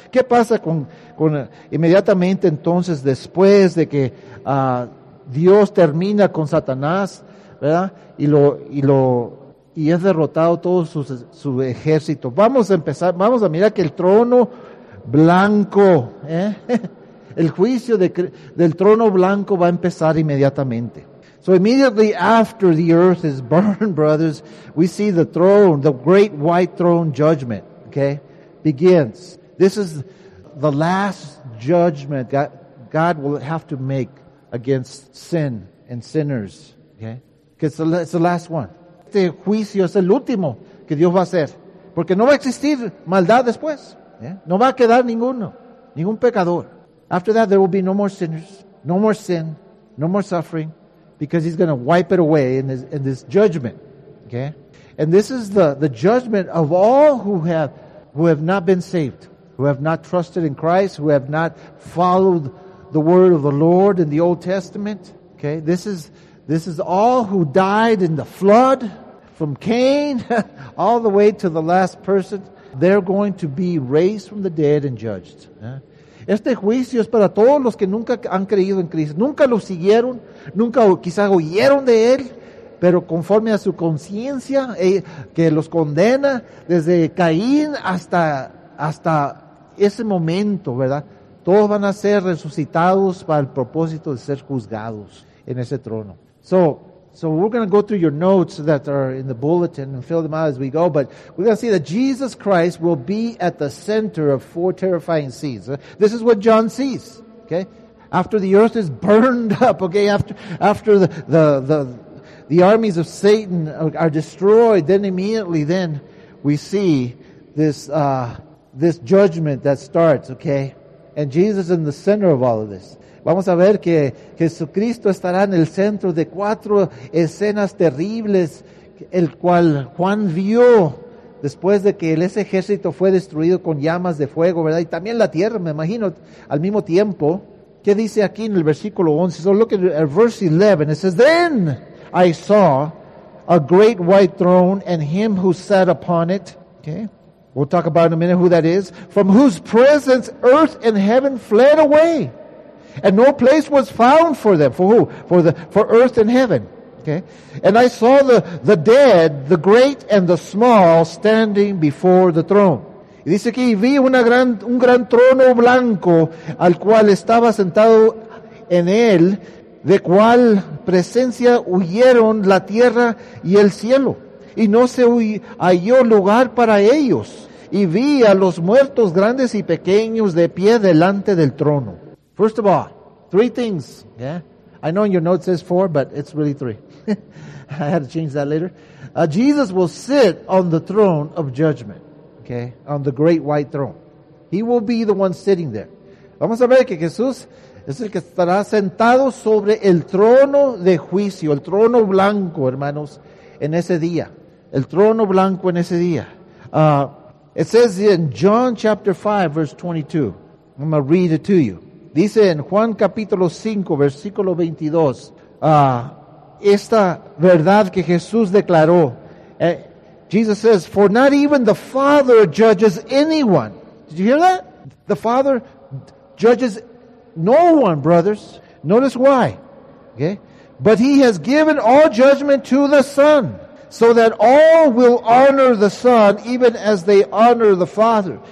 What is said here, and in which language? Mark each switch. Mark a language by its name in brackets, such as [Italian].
[Spanish] ¿Qué pasa con inmediatamente entonces después de que Dios termina con Satanás, verdad? Y es derrotado todo su ejército. Vamos a mirar que el trono blanco, el juicio del trono blanco va a empezar inmediatamente. [English] So immediately after the earth is burned, brothers, we see the throne, the great white throne judgment, okay, begins. This is the last judgment God will have to make against sin and sinners, okay? Because it's the last one. [Spanish] Este juicio es el último que Dios va a hacer, porque no va a existir maldad después. [English] Yeah? [Spanish] No va a quedar ningún pecador. [English] After that, there will be no more sinners, no more sin, no more suffering, because he's going to wipe it away in this judgment, okay? And this is the judgment of all who have not been saved, who have not trusted in Christ, who have not followed the word of the Lord in the Old Testament, okay? This is all who died in the flood, from Cain all the way to the last person. They're going to be raised from the dead and judged. Yeah? [Spanish] Este juicio es para todos los que nunca han creído en Cristo. Nunca lo siguieron, nunca quizás oyeron de Él, pero conforme a su conciencia, que los condena desde Caín hasta ese momento, ¿verdad? Todos van a ser resucitados para el propósito de ser juzgados en ese trono. [English] So we're going to go through your notes that are in the bulletin and fill them out as we go, but we're going to see that Jesus Christ will be at the center of four terrifying scenes. This is what John sees, okay? After the earth is burned up, okay, after the armies of Satan are destroyed, then we see this judgment that starts, okay? And Jesus is in the center of all of this. [Spanish] Vamos a ver que Jesucristo estará en el centro de cuatro escenas terribles, el cual Juan vio después de que ese ejército fue destruido con llamas de fuego, ¿verdad? Y también la tierra, me imagino, al mismo tiempo. ¿Qué dice aquí en el versículo 11? [English] So look at verse 11. It says, "Then I saw a great white throne and him who sat upon it." Okay. We'll talk about in a minute who that is. "From whose presence earth and heaven fled away. And no place was found for them." For who? For earth and heaven. Okay. "And I saw the dead, the great and the small, standing before the throne." [Spanish] Y dice aquí, vi un gran trono blanco, al cual estaba sentado en él, de cual presencia huyeron la tierra y el cielo. Y no se halló lugar para ellos. Y vi a los muertos grandes y pequeños de pie delante del trono. [English] First of all, three things. Yeah, I know in your notes says four, but it's really three. I had to change that later. Jesus will sit on the throne of judgment. Okay, on the great white throne. He will be the one sitting there. [Spanish] Vamos a ver que Jesús es el que estará sentado sobre el trono de juicio, el trono blanco, hermanos, en ese día. El trono blanco en ese día. [English] It says in John chapter 5, verse 22. I'm going to read it to you. [Spanish] Dice en Juan capítulo 5, versículo 22, esta verdad que Jesús declaró. [English] Jesus says, "For not even the Father judges anyone." Did you hear that? The Father judges no one, brothers. Notice why. Okay? "But he has given all judgment to the Son, so that all will honor the Son even as they honor the Father."